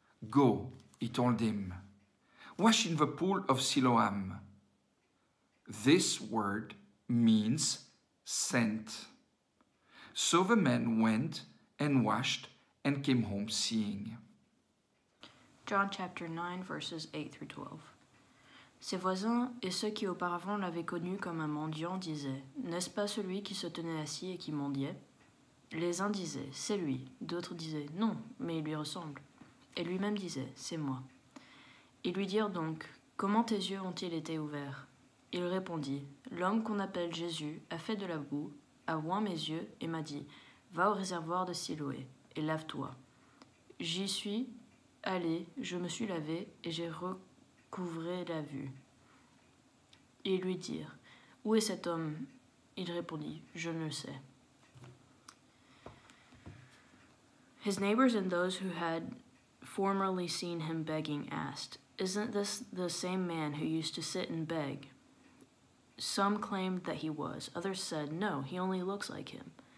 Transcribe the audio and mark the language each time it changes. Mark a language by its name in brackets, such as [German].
[English] Go, he told him. Wash in the pool of Siloam. This word means sent. So the man went and washed and came home seeing. John chapter 9, verses 8 through 12. [French] Ses voisins et ceux qui auparavant l'avaient connu comme un mendiant disaient, « N'est-ce pas celui qui se tenait assis et qui mendiait ?» Les uns disaient, « C'est lui. » D'autres disaient, « Non, mais il lui ressemble. » Et lui-même disait, « C'est moi. » Ils lui dirent donc, « Comment tes yeux ont-ils été ouverts ?» Il répondit, « L'homme qu'on appelle Jésus a fait de la boue, a oint mes yeux et m'a dit, « Va au réservoir de Siloé et lave-toi. » J'y suis allé, je me suis lavé et j'ai recouvré la vue. » Ils lui dirent, « Où est cet homme ?» Il répondit, « Je ne le sais. » [English] His neighbors and those who had formerly seen him begging asked, Isn't this the same man who used to sit and beg? Some claimed that he was. Others said, no, he only looks like him.